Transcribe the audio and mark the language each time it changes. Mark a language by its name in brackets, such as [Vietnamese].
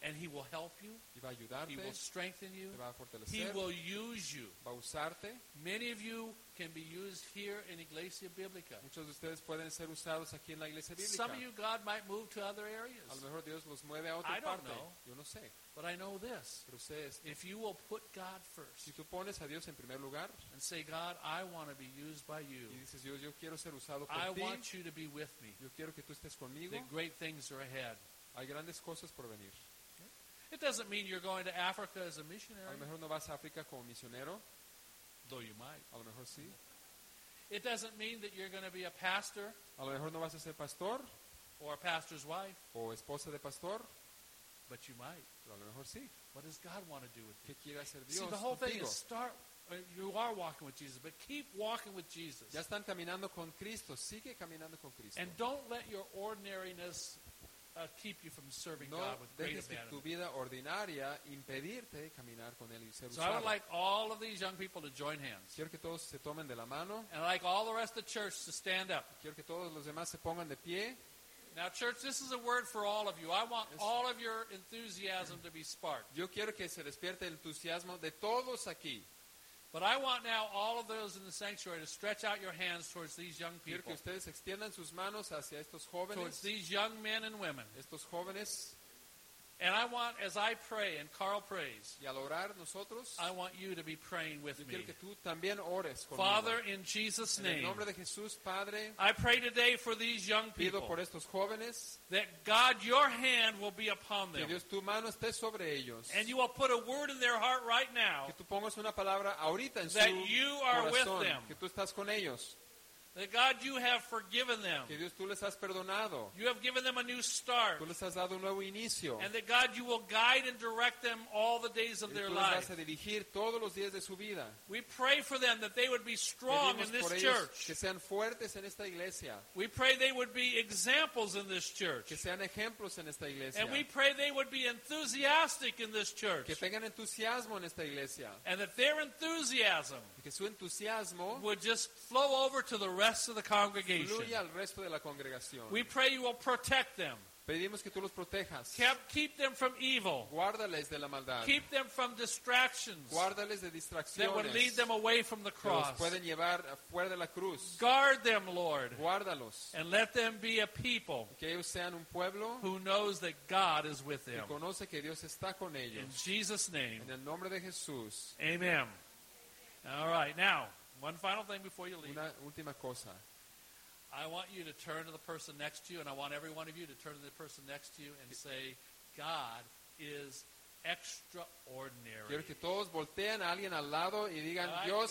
[English] And he will help you. [Spanish] Y va a ayudarte. [English] He will strengthen you. [Spanish] Y va a fortalecer. [English] He will use you. [Spanish] Va a usarte. [English] Many of you can be used here in Iglesia Bíblica. [Spanish] Muchos de ustedes pueden ser usados aquí en la Iglesia Bíblica. [English] Some of you God might move to other areas. [Spanish] A lo mejor Dios los mueve a otra parte. [English] I don't know. [Spanish] Yo no sé. [English] But I know this. [Spanish] Pero sé esto. [English] If you will put God first. [Spanish] Si tú pones a Dios en primer lugar. [English] And say, God, I want to be used by you. [Spanish] Y dices, Dios, yo quiero ser usado por [English] I [Spanish] ti. [English] I want you to be with me. [Spanish] Yo quiero que tú estés conmigo. [English] The great things are ahead. [Spanish] Hay grandes cosas por venir. [English] It doesn't mean you're going to Africa as a missionary. [Spanish] A lo mejor no vas a África como misionero. [English] Though you might. [Spanish] A lo mejor sí. [English] It doesn't mean that you're going to be a pastor. [Spanish] A lo mejor no vas a ser pastor. [English] Or a pastor's wife. [Spanish] O esposa de pastor. [English] But you might. [Spanish] Pero a lo mejor sí. [English] What does God want to do with you? [Spanish] ¿Qué quiere hacer Dios? [English] See, the whole [Spanish] contigo. [English] Thing is start. You are walking with Jesus, but keep walking with Jesus. [Spanish] Ya están caminando con Cristo. Sigue caminando con Cristo. [English] And don't let your ordinariness keep you from serving [Spanish] no [English] God with great abandon. [Spanish] No dejes que tu vida ordinaria impedirte caminar con él y ser usado. [English] So I would like all of these young people to join hands. [Spanish] Quiero que todos se tomen de la mano. [English] And I'd like all the rest of the church to stand up. [Spanish] Quiero que todos los demás se pongan de pie. [English] Now, church, this is a word for all of you. I want all of your enthusiasm to be sparked. [Spanish] Yo quiero que se despierte el entusiasmo de todos aquí. [English] But I want now all of those in the sanctuary to stretch out your hands towards these young people. [Spanish] Quiero que ustedes extiendan sus manos hacia estos jóvenes. [English] Towards these young men and women. [Spanish] Estos jóvenes. [English] And I want, as I pray and Carl prays, [Spanish] y al orar nosotros, [English] I want you to be praying with me. [Spanish] Quiero que tú también ores conmigo. [English] Father, in Jesus' name, [Spanish] en el nombre de Jesús, Padre, [English] I pray today for these young people, [Spanish] pido por estos jóvenes, [English] that God, your hand will be upon them. [Spanish] Que Dios, tu mano esté sobre ellos, [English] and you will put a word in their heart right now, [Spanish] que tú pongas una palabra ahorita en [English] that [Spanish] su [English] you are [Spanish] corazón, [English] with them. [Spanish] Que tú estás con ellos. [English] That God, you have forgiven them. [Spanish] Que Dios, tú les has perdonado. [English] You have given them a new start. [Spanish] Tú les has dado un nuevo inicio. [English] And that God, you will guide and direct them all the days of their [Spanish] life. Tú les vas a dirigir todos los días de su vida. [English] We pray for them that they would be strong [Spanish] Pedimos [English] in this [Spanish] por ellos [English] church. [Spanish] Que sean fuertes en esta iglesia. [English] We pray they would be examples in this church. [Spanish] Que sean ejemplos en esta iglesia. [English] And we pray they would be enthusiastic in this church. [Spanish] Que tengan entusiasmo en esta iglesia. [English] And that their enthusiasm [Spanish] que su entusiasmo [English] would just flow over to the rest of the congregation. [Spanish] Fluye al resto de la congregación. [English] We pray you will protect them. [Spanish] Pedimos que tú los protejas. [English] Keep them from evil. [Spanish] Guárdales de la maldad. [English] Keep them from distractions. [Spanish] Guárdales de distracciones. [English] That would lead them away from the cross. [Spanish] Que los pueden llevar fuera de la cruz. [English] Guard them, Lord. [Spanish] Guárdalos. [English] And let them be a people. [Spanish] Que ellos sean un pueblo. [English] Who knows that God is with them. [Spanish] Que conoce que Dios está con ellos. [English] In Jesus' name. [Spanish] En el nombre de Jesús. [English] Amen. All right, now, one final thing before you leave. [Spanish] Una última cosa. [English] I want you to turn to the person next to you, and I want every one of you to turn to the person next to you and say, God is extraordinary. [Spanish] Quiero que todos volteen a alguien al lado y digan, Dios